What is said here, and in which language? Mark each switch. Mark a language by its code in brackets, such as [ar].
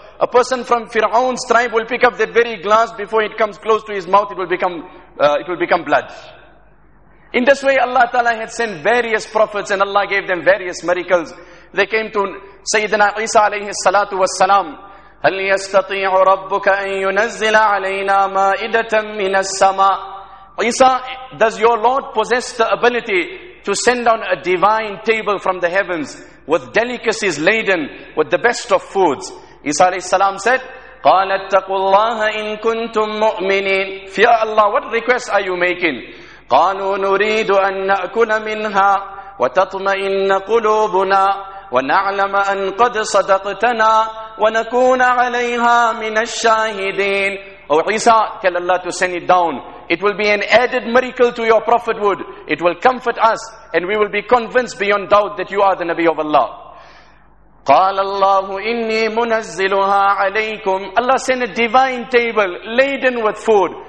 [en] A person from Fir'aun's tribe will pick up that very glass, before it comes close to his mouth, it will become blood. In this way, Allah Ta'ala had sent various prophets and Allah gave them various miracles. They came to Sayyidina Isa alayhi salatu was salam. [ar] هل يستطيع ربك أن ينزل علينا مائدة من السماء. [en] Isa, does your Lord possess the ability to send down a divine table from the heavens with delicacies laden with the best of foods? [ar] Isa alayhi salam [en] said, [ar] قال اتقوا الله إن كنتم مؤمنين. [en] Fear Allah, what request are you making? [ar] قالوا نريد أن نأكل منها وتطمئن قلوبنا ونعلم أن قد صدقتنا وَنَكُونَ عَلَيْهَا مِنَ الشَّاهِدِينَ. [en] Oh Isa, tell Allah to send it down. It will be an added miracle to your prophethood. It will comfort us and we will be convinced beyond doubt that you are the Nabi of Allah. [ar] قَالَ اللَّهُ إِنِّي مُنَزِّلُهَا عَلَيْكُمْ. [en] Allah sent a divine table laden with food.